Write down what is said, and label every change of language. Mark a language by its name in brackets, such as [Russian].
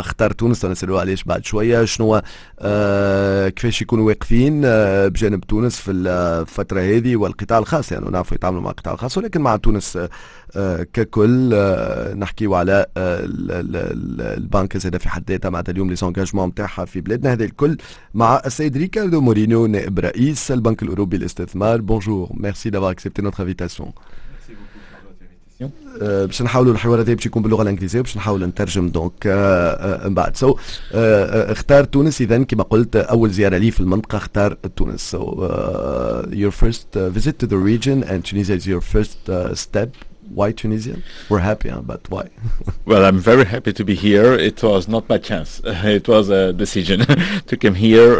[Arabic] اختار تونس ونسألوا عليهش بعد شوية شنو كيفاش يكونوا واقفين بجانب تونس في الفترة هذه والقطاع الخاص، يعني نعرفوا يتعاملوا مع القطاع الخاص ولكن مع تونس ككل. نحكيوا على البنك زادة في حد ذاتها معناتها اليوم ليزونجاجمون نتاعها في بلادنا. هذا الكل مع السيد ريكاردو مورينو نائب رئيس البنك الأوروبي للاستثمار. [French] بونجور، ميرسي d'avoir accepté notre invitation. [Arabic] باش نحاولوا الحوار هذا باش يكون باللغه الانجليزيه باش نحاول نترجم دونك من بعد. سو اختار تونس اذا كما قلت اول زياره لي في المنطقه اختار تونس. [English] So your first visit to the region and Tunis is your first step. Why Tunisia? We're happy, but why? Well, I'm very happy to be here. It was not by chance. It was a decision to come here.